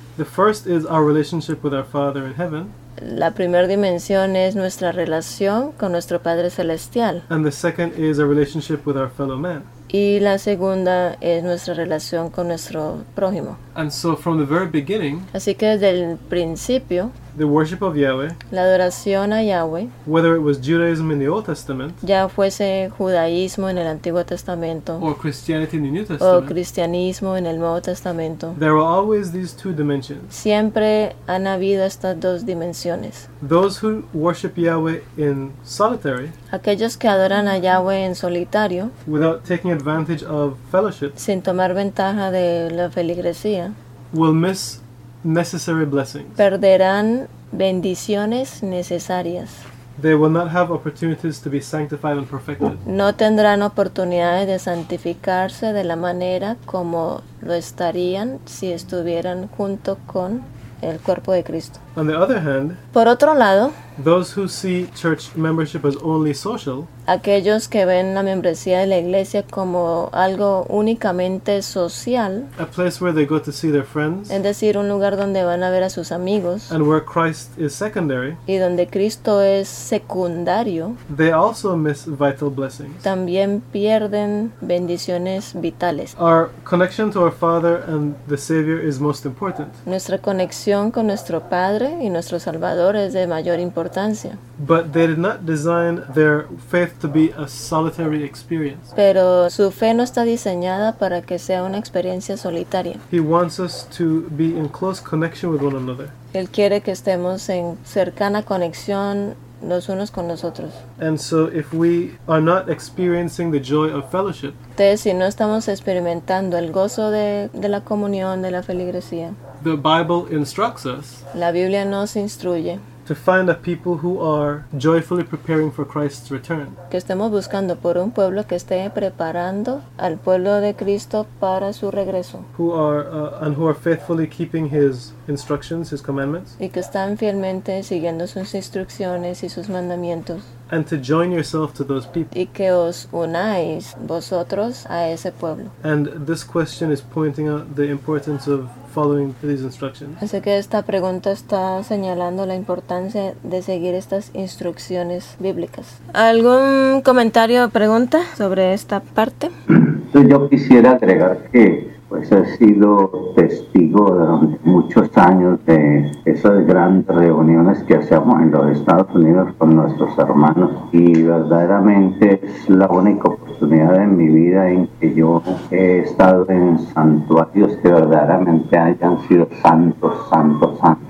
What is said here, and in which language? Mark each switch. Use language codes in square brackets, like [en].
[en] The first is our relationship with our Father in heaven. [es] La primera dimensión es nuestra relación con nuestro Padre Celestial. [en] And the second is a relationship with our fellow man. [es] Y la segunda es nuestra relación con nuestro prójimo. [en] And so from the very beginning, [es] así que desde el principio, [en] the worship of Yahweh, [es] la adoración a Yahweh, [en] whether it was Judaism in the Old Testament, [es] ya fuese judaísmo en el Antiguo Testamento, [en] or Christianity in the New Testament, [es] o cristianismo en el Nuevo Testamento, [en] there were always these two dimensions. [es] Siempre han habido estas dos dimensiones. [en] Those who worship Yahweh in solitary, [es] aquellos que adoran a Yahweh en solitario, [en] without taking advantage of fellowship, [es] sin tomar ventaja de la feligresía, [en] will miss necessary blessings. [es] Perderán bendiciones necesarias. [en] They will not have opportunities to be sanctified and perfected. [es] No tendrán oportunidades de santificarse de la manera como lo estarían si estuvieran junto con el cuerpo de Cristo. [en] On the other hand, [es] por otro lado, [en] those who see church membership as only social, [es] aquellos que ven la membresía de la iglesia como algo únicamente social, [en] a place where they go to see their friends, [es] es decir, un lugar donde van a ver a sus amigos, [en] and where Christ is secondary, [es] y donde Cristo es secundario, [en] they also miss vital blessings. [es] También pierden bendiciones vitales. [en] Our connection to our Father and the Savior is most important. [es] Nuestra conexión con nuestro Padre y nuestro Salvador es de mayor importancia. [en] But they did not design their faith to be a solitary experience. [es] Pero su fe no está diseñada para que sea una experiencia solitaria. [en] He wants us to be in close connection with one another. [es] Él quiere que estemos en cercana conexión los unos con los otros. [en] And so if we are not experiencing the joy of fellowship, [es] entonces, si no estamos experimentando el gozo de la comunión, de la feligresía, [en] the Bible instructs us, [es] la Biblia nos instruye, [en] to find a people who are joyfully preparing for Christ's return. [es] Que estemos buscando por un pueblo que esté preparando al pueblo de Cristo para su regreso. [en] Who are faithfully keeping his instructions, his commandments. [es] Y que están fielmente siguiendo sus instrucciones y sus mandamientos. [en] And to join yourself to those people. [es] Y que os unáis vosotros a ese pueblo. [en] And this question is pointing out the importance of following these instructions. [es] Así que esta pregunta está señalando la importancia de seguir estas instrucciones bíblicas. ¿Algún comentario o pregunta sobre esta parte? Entonces yo quisiera agregar que pues he sido testigo durante muchos años de esas grandes reuniones que hacemos en los Estados Unidos con nuestros hermanos, y verdaderamente es la única oportunidad en mi vida en que yo he estado en santuarios que verdaderamente hayan sido santos, santos, santos.